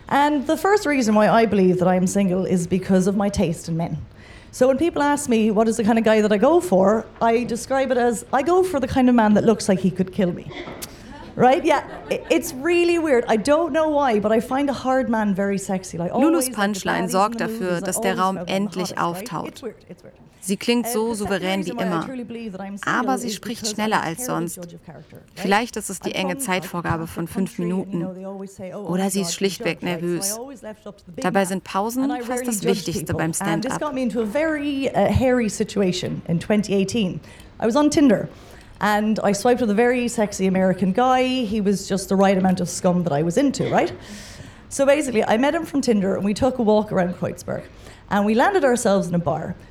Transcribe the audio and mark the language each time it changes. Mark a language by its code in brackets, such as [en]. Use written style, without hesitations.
[en] And the first reason why I believe that I am single is because of my taste in men. So when people ask me what is the kind of guy that I go for, I describe it as I go for the kind of man that looks like he could kill me. Right? Yeah. It's really weird. I don't know why, but I find a hard man very sexy. [de] Like, Lulus Punchline sorgt dafür, dass der Raum endlich auftaucht. Sie klingt so souverän wie immer, aber sie spricht schneller als sonst. Vielleicht ist es die enge Zeitvorgabe von 5 Minuten. Oder sie ist schlichtweg nervös. Dabei sind Pausen fast das Wichtigste beim Stand-up. [en] This got me into a very hairy situation in 2018. I was on Tinder and I swiped with a very sexy American guy. He was just the right amount of scum that I was into, right? So basically, I met him from Tinder and we took a walk around Kreuzberg and we landed ourselves in a bar.